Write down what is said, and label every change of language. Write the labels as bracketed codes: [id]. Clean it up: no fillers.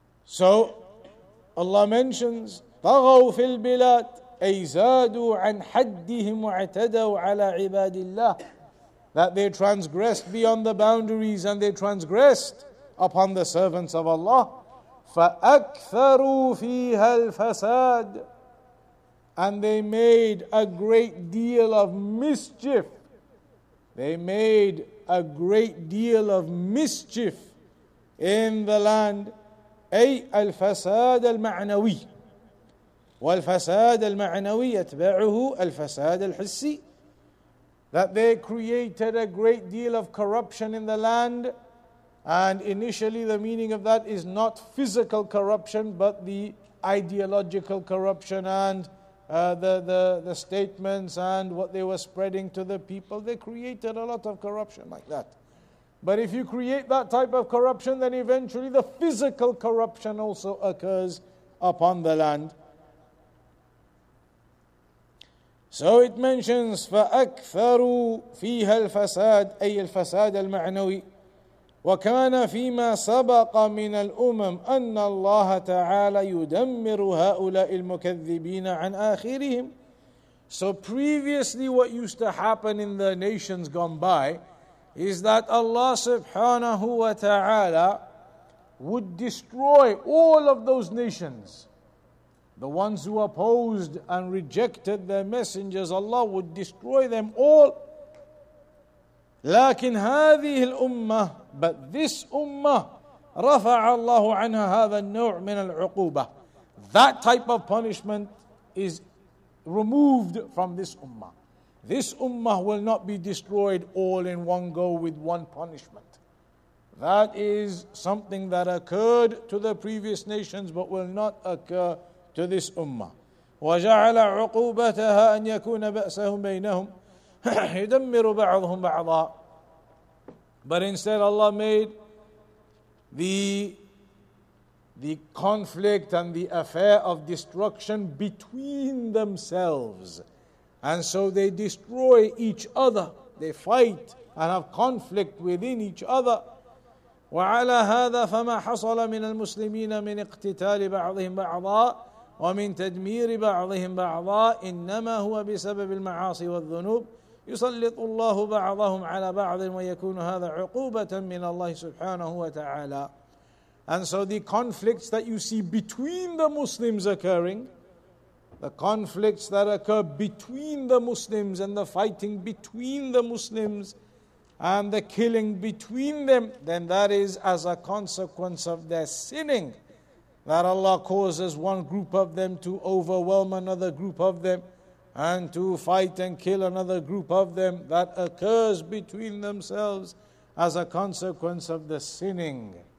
[en] So Allah mentions [ar] طغوا في البلاد أي زادوا عن حدهم واعتدوا على عباد الله, [en] that they transgressed beyond the boundaries and they transgressed upon the servants of Allah. [ar] فأكثروا فيها الفساد, [en] and they made a great deal of mischief. They made a great deal of mischief in the land. [ar] أي الفساد المعنوي, والفساد المعنوي يتبعه الفساد الحسي. [en] That they created a great deal of corruption in the land. And initially the meaning of that is not physical corruption, but the ideological corruption and the statements and what they were spreading to the people. They created a lot of corruption like that. But if you create that type of corruption, then eventually the physical corruption also occurs upon the land. So it mentions, [ar] فَأَكْثَرُوا فِيهَا الْفَسَادِ أي الفساد المعنوي. وكان فيما سبق من الأمم أن الله تعالى يدمر هؤلاء المكذبين عن آخرهم. [en] So previously what used to happen in the nations gone by is that Allah subhanahu wa ta'ala would destroy all of those nations. The ones who opposed and rejected their messengers, Allah would destroy them all. [ar] لكن هذه الأمة, [en] but this ummah, [ar] رفع الله عنها هذا النوع من العقوبة. [en] That type of punishment is removed from this ummah. This ummah will not be destroyed all in one go with one punishment. That is something that occurred to the previous nations but will not occur to this ummah. [ar] وجعل عقوبتها أن يكون بأسهم بينهم يدمر بعضهم بعضا. [en] But instead Allah made the conflict and the affair of destruction between themselves. And so they destroy each other. They fight and have conflict within each other. [ar] وعلى هذا فما حصل من المسلمين من اقتتال بعضهم بعضا ومن تدمير بعضهم بعضا إنما هو بسبب المعاصي والذنوب. يسلط الله بعضهم على بعض ويكون هذا عقوبة من الله سبحانه وتعالى. [en] And so the conflicts that you see between the Muslims occurring, the conflicts that occur between the Muslims and the fighting between the Muslims and the killing between them, then that is as a consequence of their sinning, that Allah causes one group of them to overwhelm another group of them and to fight and kill another group of them, that occurs between themselves as a consequence of the sinning.